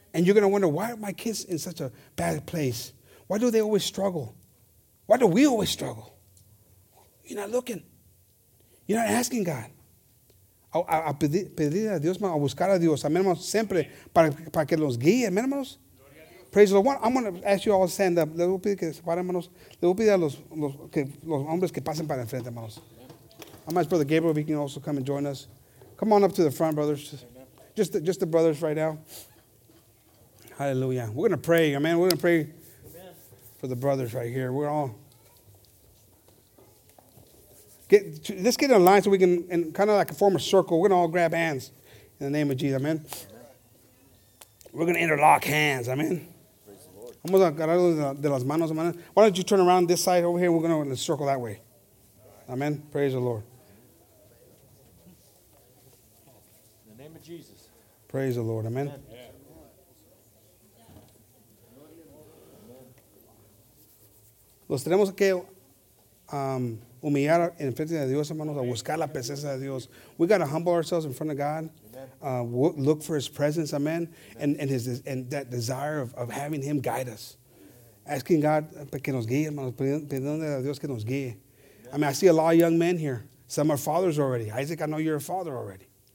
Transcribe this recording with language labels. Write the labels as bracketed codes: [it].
[en] And you're going to wonder, why are my kids in such a bad place? Why do they always struggle? Why do we always struggle? You're not looking. You're not asking God. [es] A pedir a Dios, a buscar a Dios. Amen, hermanos, siempre para que los guíe. Amen, hermanos. [en] Praise the Lord. I'm going to ask you all to stand up. [es] Le voy a pedir que se paren, hermanos. Le voy a pedir a los hombres que pasen para enfrente, hermanos. [en] I'm going to ask Brother Gabriel if he can also come and join us. Come on up to the front, brothers. Just the brothers right now. Hallelujah. We're going to pray, amen. We're going to pray for the brothers right here. We're all. Let's get in line so we can, in kind of like a form of circle, we're going to all grab hands in the name of Jesus, amen. We're going to interlock hands, amen. [es] Vamos a agarrarlo de las manos, [en] amen. Why don't you turn around this side over here? We're going to circle that way. Amen. Praise the Lord. In the name of Jesus. Praise the Lord. Amen. [es] Los tenemos que humillar en frente de Dios, hermanos, a buscar la presencia de Dios. [en] We got to humble ourselves in front of God. Look for his presence, amen, and that desire of having him guide us. Asking God [es] que nos guíe, hermanos, pidiendo a Dios que nos guíe. [en] I mean, I see a lot of young men here. Some are fathers already. Isaac, I know you're a father already.